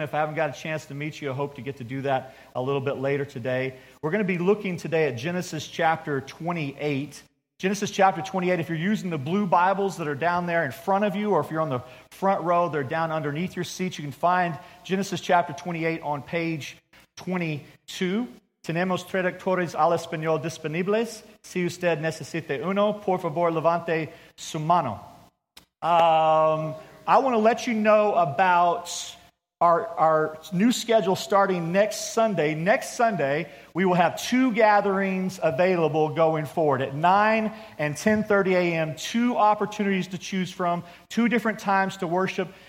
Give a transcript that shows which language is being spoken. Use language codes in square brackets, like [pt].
[en] If I haven't got a chance to meet you, I hope to get to do that a little bit later today. We're going to be looking today at Genesis chapter 28. Genesis chapter 28, if you're using the blue Bibles that are down there in front of you, or if you're on the front row, they're down underneath your seats. You can find Genesis chapter 28 on page 22. [es] Tenemos traductores al español disponibles. Si usted necesita uno, por favor, levante su mano. [en] I want to let you know about our new schedule starting next Sunday. Next Sunday, we will have two gatherings available going forward at 9 and 10:30 a.m., two opportunities to choose from, two different times to worship.